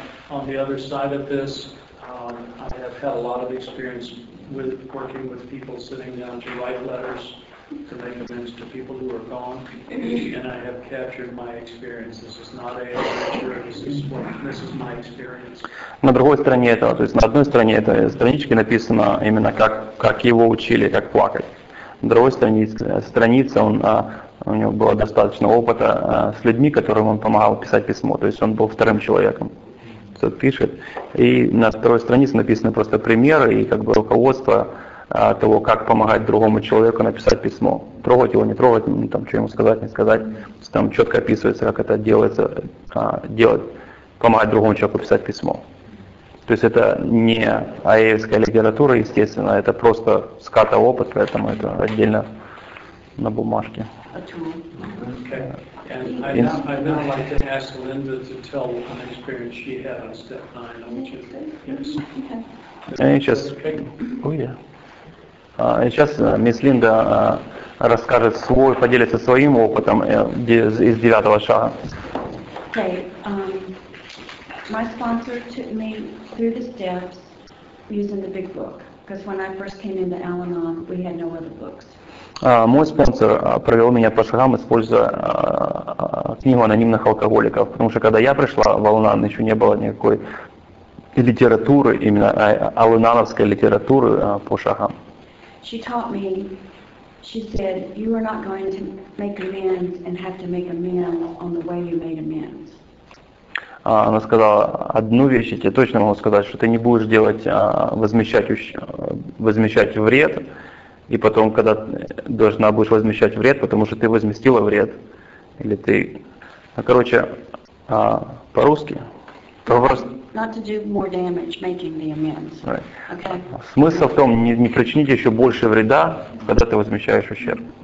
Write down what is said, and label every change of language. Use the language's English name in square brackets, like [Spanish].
[English] On the other side of this, I have had a lot of experience with working with people sitting down to write letters to make amends to people who are gone, and I have captured my experience. This is not a lecture. This is my experience. [Russian] На другой стороне этого, то есть на одной стороне этой странички написано именно как его учили, как плакать. На другой странице он у него было достаточно опыта с людьми, которым он помогал писать письмо. То есть он был вторым человеком, кто пишет. И на второй странице написаны просто примеры и как бы руководство того, как помогать другому человеку написать письмо. Трогать его, не трогать, ну, там, что ему сказать, не сказать. Там четко описывается, как это делается, делать, помогать другому человеку писать письмо. То есть это не АЭСская литература, естественно, это просто ската опыт, поэтому это отдельно на бумажке. [English] Okay. And I'd now like to ask Linda to tell an experience she had on step 9. Yes. [Russian] Сейчас мисс Линда расскажет свой, поделится своим опытом из девятого шага. [English] Okay. My sponsor took me through the steps using the big book. Because when I first came into Al-Anon, we had no other books. [Russian] Мой спонсор провел меня по шагам, используя книгу анонимных алкоголиков. Потому что когда я пришла в Al-Anon, еще не было никакой литературы, именно Al-Anon-овской литературы по шагам. [English] She taught me, she said, you are not going to make amends and have to make amends on the way you made amends. [Russian] Она сказала одну вещь, я тебе точно могу сказать, что ты не будешь делать, возмещать вред, и потом, когда должна будешь возмещать вред, потому что ты возместила вред, или ты... Ну, короче, по-русски... [English] Not to do more damage, making the amends. Right. Okay. [Russian] Смысл в том, не причинить еще больше вреда, когда ты возмещаешь ущерб.